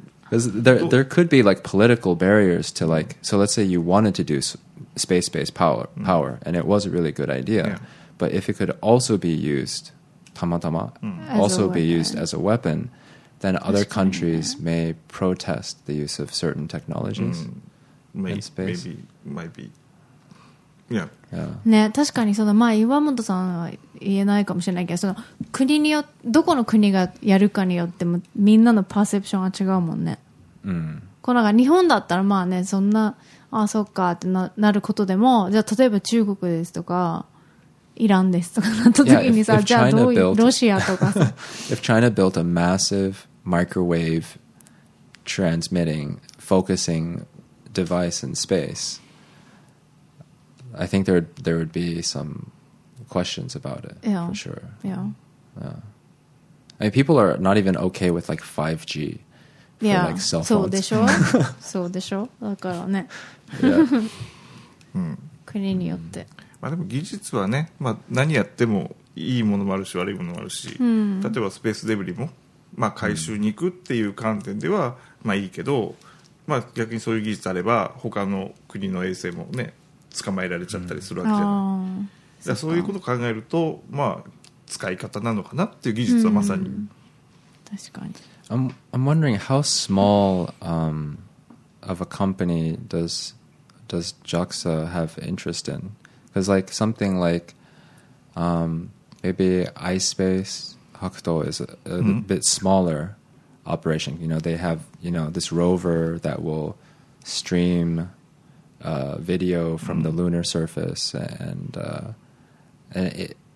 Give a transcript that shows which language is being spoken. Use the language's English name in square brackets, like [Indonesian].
[English] there could be like political barriers to like... So let's say you wanted to do space-based power, and it was a really good idea. Yeah. But if it could also be used, also be used as a weapon, then other countries may protest the use of certain technologies in space. Maybe. Yeah. [Japanese] ね、確かにその、まあ、岩本さんは言えないかもしれないけどその国によどこの国がやるかによってもみんなのパーセプションが違うもんね、うん、こうなんか日本だったらまあ、ね、そんな あそっかって なることでもじゃあ例えば中国ですとかイランですとかなった時にさ、 [English] yeah, [Japanese] じゃあどういうロシアとか [English] If China built a massive microwave transmitting focusing device in spaceI think there would be some questions about it, yeah, for sure. Yeah. I mean, people are not even okay with like 5G for yeah. like cell phones. [Japanese] そうでしょ?そうでしょ?だからね。 [English] Yeah. [Japanese] 国によって。まあでも技術はね、まあ何やってもいいものもあるし悪いものもあるし、例えばスペースデブリも、まあ回収に行くっていう観点では、まあいいけど、まあ逆にそういう技術あれば、他の国の衛星もね、捕まえられちゃったりするわけじゃない、うん、じゃあそういうことを考えると、まあ、使い方なのかなっていう技術はまさに、うん、確かに [English] I'm wondering how small of a company does JAXA have interest in because like something like maybe iSpace Hakuto is a bit smaller operation you know they have you know, this rover that will streamvideo from the lunar surface and